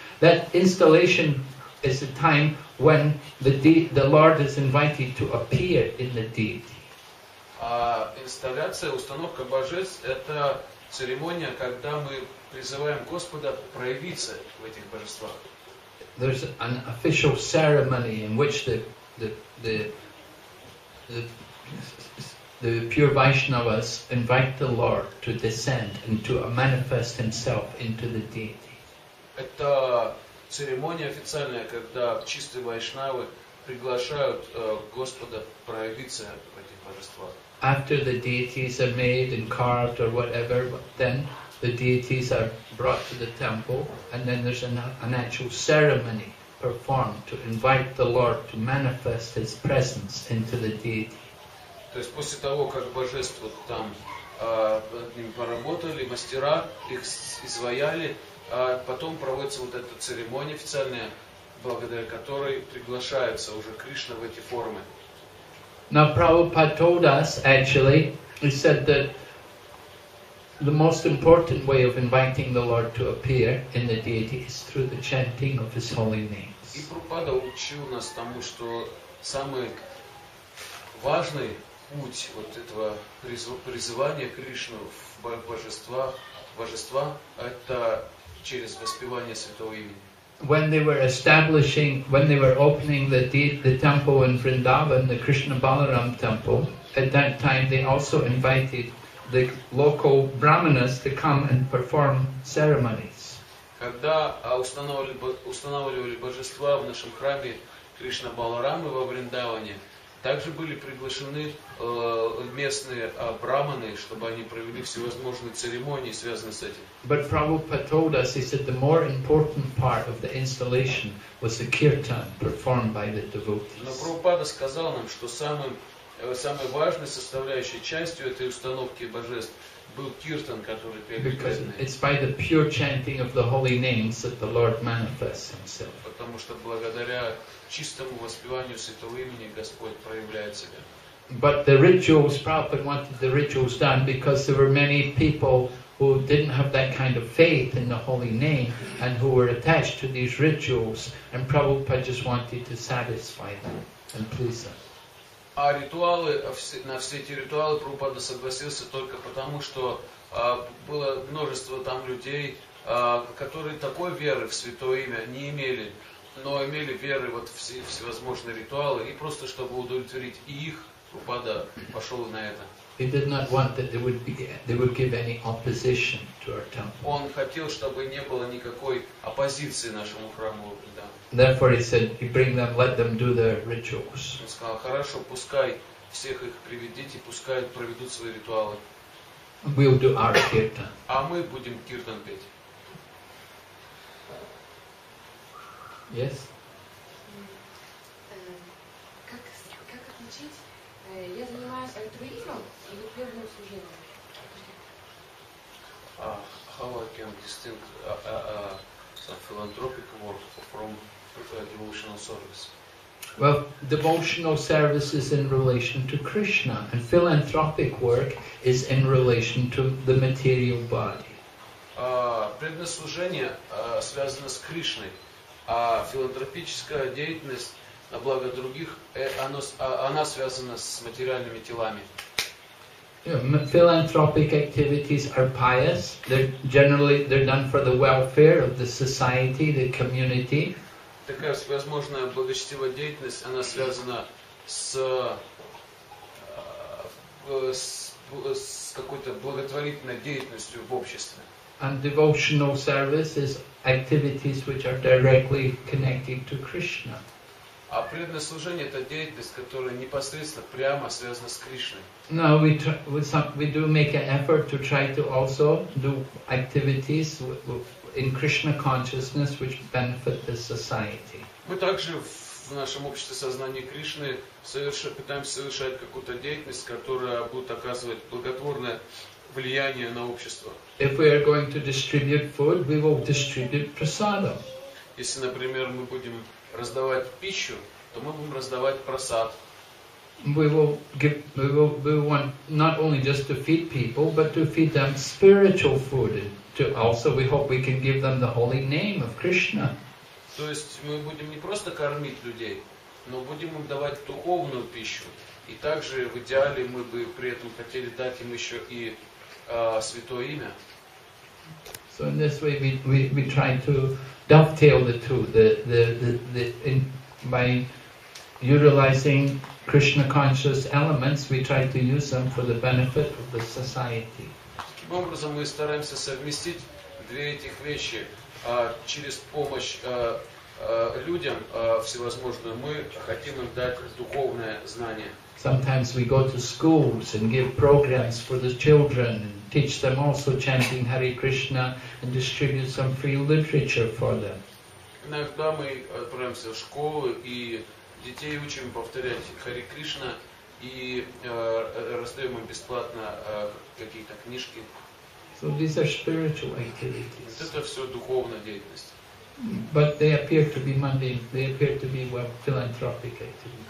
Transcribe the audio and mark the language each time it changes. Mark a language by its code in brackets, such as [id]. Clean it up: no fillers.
[en] That installation is the time when the Lord is invited to appear in the deity. [ru] Installация, установка божеств – это церемония, когда мы призываем Господа проявиться в этих божествах. [en] There's an official ceremony in which the pure Vaishnavas invite the Lord to descend and to manifest himself into the deity. [ru] Это церемония официальная, когда чистые вайшнавы приглашают Господа проявиться в этих божествах. [en] After the deities are made and carved or whatever, then the deities are brought to the temple and then there's an actual ceremony performed to invite the Lord to manifest his presence into the deity. [ru] То есть после того, как божества там над ними поработали, мастера их изваяли, потом проводится вот эта церемония официальная, благодаря которой приглашается уже Кришна в эти формы. [en] Now Prabhupada told us, actually, he said that the most important way of inviting the Lord to appear in the deity is through the chanting of his holy names. [ru] И Прабхупада учил нас тому, что самый важный путь вот этого призывания Кришну в божества, это через воспевание святого имени. [en] When they were establishing, when they were opening the temple in Vrindavan, the Krishna Balaram temple, at that time they also invited the local brahmanas to come and perform ceremonies. [ru] Когда устанавливали божества в нашем храме Кришна Баларамы во Вриндаване, также были приглашены местные брахманы, чтобы они провели всевозможные церемонии, связанные с этим. [en] But Prabhupada told us, he said, the more important part of the installation was the kirtan performed by the devotees. [ru] Но Прабхупада сказал нам, что самой важной составляющей частью этой установки божеств был киртан, который пели. [en] Because it's by the pure chanting of the holy names that the Lord manifests himself. [ru] Потому что благодаря чистому воспеванию святого имени Господь проявляет себя. [en] But the rituals, Prabhupada wanted the rituals done because there were many people who didn't have that kind of faith in the holy name and who were attached to these rituals, and Prabhupada just wanted to satisfy them and please them. [ru] А ритуалы, на все эти ритуалы Прабхупада согласился только потому, что было множество там людей, которые такой веры в святое имя не имели, но имели веры вот в всевозможные ритуалы, и просто чтобы удовлетворить их, Прабхупада пошел на это. [en] He did not want that they would give any opposition to our temple. [ru] Он хотел, чтобы не было никакой оппозиции нашему храму. [en] Therefore, he said, "You bring them, let them do their rituals." [ru] Он сказал, хорошо, пускай всех их приведите, пускай проведут свои ритуалы. [en] We'll do our kirtan. [ru] А мы будем киртан петь. [en] Yes. [ru] Как отличить? Я занимаюсь альтруизмом и духовным служением. [en] How I can distinguish some philanthropic work from devotional service? Well, devotional service is in relation to Krishna, and philanthropic work is in relation to the material body. [ru] Предназначение связано с Кришной. А филантропическая деятельность на благо других, она связана с материальными телами. [en] Philanthropic activities are pious. They're generally done for the welfare of the society, the community. [ru] Такая всевозможная благочестивая деятельность, она связана с какой-то благотворительной деятельностью в обществе. [en] And devotional service is activities which are directly connected to Krishna. [ru] А предназначение это деятельность, которая непосредственно прямо связана с Кришной. [en] No, we do make an effort to try to also do activities in Krishna consciousness which benefit the society. [ru] Мы также в нашем обществе сознания Кришны пытаемся совершать какую-то деятельность, которая будет оказывать благотворное влияние на общество. [en] If we are going to distribute food, we will distribute prasadam. [ru] Если, например, мы будем раздавать пищу, то мы будем раздавать прасад. [en] We want not only just to feed people, but to feed them spiritual food. To also, we hope we can give them the holy name of Krishna. [ru] То есть мы будем не просто кормить людей, но будем им давать духовную пищу. И также в идеале мы бы при этом хотели дать им еще и святое имя. [en] So in this way we try to dovetail the two, by utilizing Krishna conscious elements, we try to use them for the benefit of the society. [ru] Таким образом мы стараемся совместить две этих вещи. Через помощь людям всевозможную мы хотим им дать духовное знание. [en] Sometimes we go to schools and give programs for the children and teach them also chanting Hare Krishna and distribute some free literature for them. [ru] Иногда мы отправляемся в школу и детей учим повторять Hare Krishna и раздаем им бесплатно какие-то книжки. [en] So these are spiritual activities. [ru] Вот это все духовная деятельность. [en] But they appear to be mundane. They appear to be well, philanthropic activity.